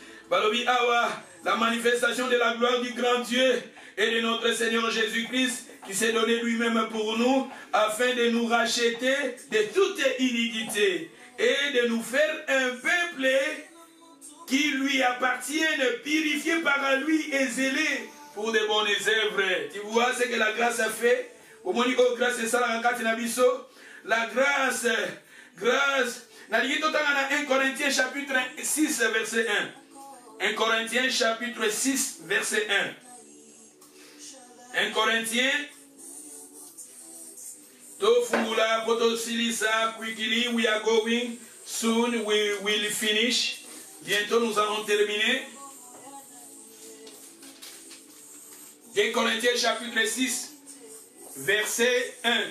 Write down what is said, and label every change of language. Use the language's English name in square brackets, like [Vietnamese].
[Lingala] Balobi awa [French] la manifestation de la gloire du grand Dieu et de notre Seigneur Jésus-Christ qui s'est donné lui-même pour nous afin de nous racheter de toute iniquité et de nous faire un peuple qui lui appartienne, purifié par lui et zélé pour de bonnes œuvres. Tu vois ce que la grâce a fait? Au moins, oh, grâce à ça, la grâce, la ligne totale dans 1 Corinthiens chapitre 6, verset 1. 1 Corinthiens chapitre 6 verset 1. [English] 1 Corinthiens [Lingala] Tofula potosilisa [English] quickly we are going soon we will finish. [French] Bientôt nous allons terminer. 1 Corinthiens chapitre 6 verset 1.